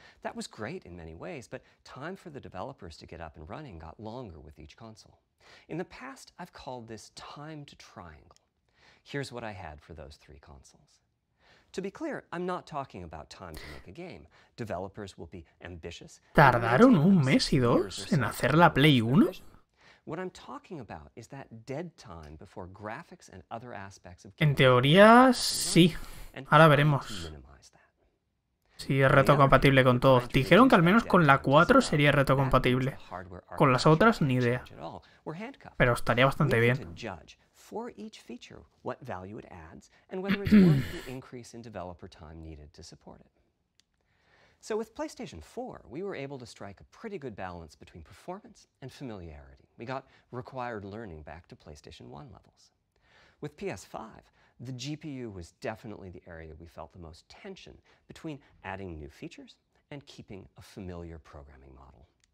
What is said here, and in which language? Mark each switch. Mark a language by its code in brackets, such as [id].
[en] That was great in many ways, but time for the developers to get up and running got longer with each console. In the past, I've called this time to triangle. Here's what I had for those three consoles. To be clear, I'm not talking about time to make a game. Developers will be ambitious. [es] ¿Tardaron un mes y dos en hacer la Play 1? [en] What I'm talking about is that dead time before graphics and other aspects of [es] game. En teoría, sí. Ahora veremos. Sí, es retrocompatible con todos. Dijeron que al menos con la 4 sería retrocompatible. Con las otras, ni idea. Pero estaría bastante bien. [en] For each feature, what value it adds, and whether it's worth the increase in developer time needed to support it. So with PlayStation 4, we were able to strike a pretty good balance between performance and familiarity. We got required learning back to PlayStation 1 levels. With PS5, the GPU was definitely the area we felt the most tension between adding new features and keeping a familiar programming model.